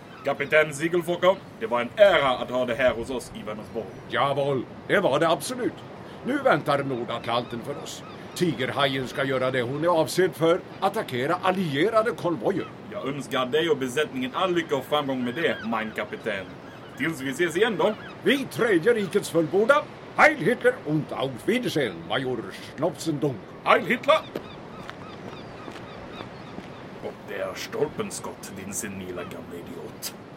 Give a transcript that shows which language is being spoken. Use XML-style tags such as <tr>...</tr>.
<sv>Kapitän Siegelfocker, det var en ära att ha det här hos oss i Vänersborg. Jawohl, det var det absolut. Nu väntar Nordatlanten för oss. Tigerhajen ska göra det hon är avsedd för, attackera allierade konvojer. Jag önskar dig och besättningen all lycka och framgång med det,</sv> <de>mein kapitän.</de> <sv>Tills vi ses igen då. Vi tredje rikets fullborda.</sv> <de>Heil Hitler und auf Wiedersehen, major Schnopsendunk. Heil Hitler!</de> <sv>Och det är stolpenskott, din senila gamla idiot.</sv>